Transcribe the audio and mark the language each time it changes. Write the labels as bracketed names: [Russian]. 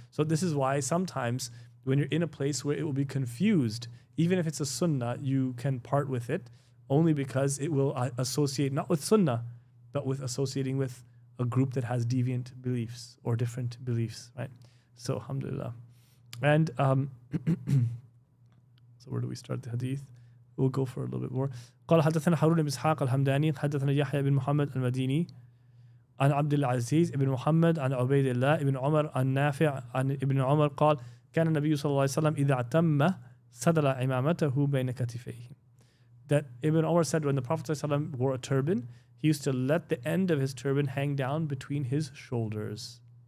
[English] So this is why sometimes when you're in a place where it will be confused, even if it's a sunnah, you can part with it, only because it will associate not with sunnah, but with associating with a group that has deviant beliefs or different beliefs, right? So alhamdulillah. And so where do we start the hadith? We'll go for a little bit more. [Arabic] قال حدثنا حرون بن إسحاق الحمداني حدثنا يحيى بن محمد المديني عن عبد العزيز بن محمد عن عبيد الله بن عمر عن نافع عن ابن عمر قال كان النبي صلى الله عليه وسلم إذا اعتم سدل عمامته بين كتفيه. [English] That Ibn Umar said when the Prophet ﷺ wore a turban, he used to let the end of his turban hang down between his shoulders.